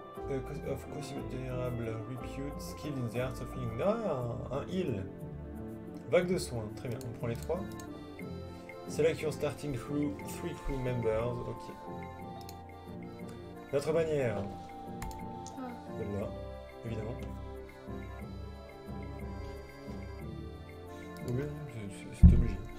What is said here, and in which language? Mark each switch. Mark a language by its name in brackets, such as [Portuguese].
[English] A of considerable repute, skill in the arts of healing. [French] Ah, un heal. Vague de soins, très bien, on prend les trois. [English] Select your starting crew, three crew members, ok. [French] Notre bannière. Celle-là, ouais. Évidemment. Oui, c'est obligé.